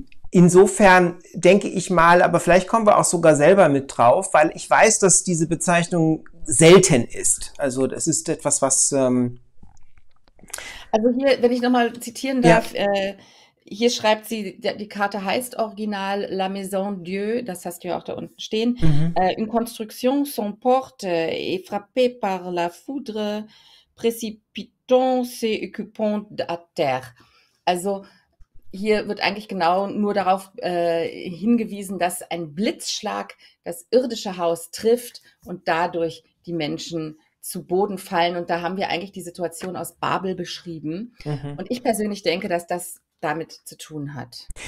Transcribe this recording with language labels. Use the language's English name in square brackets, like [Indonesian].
[German] Insofern denke ich mal, aber vielleicht kommen wir auch sogar selber mit drauf, weil ich weiß, dass diese Bezeichnung selten ist. Also das ist etwas, was... Also hier, wenn ich nochmal zitieren darf, Ja. hier schreibt sie, die Karte heißt original La Maison Dieu, das hast du ja auch da unten stehen. [French] Une construction sans porte et frappée par la foudre, précipitant ses occupants à terre. [German] Also hier wird eigentlich genau nur darauf hingewiesen, dass ein Blitzschlag das irdische Haus trifft und dadurch die Menschen zu Boden fallen. Und da haben wir eigentlich die Situation aus Babel beschrieben. Und ich persönlich denke, dass das damit zu tun hat.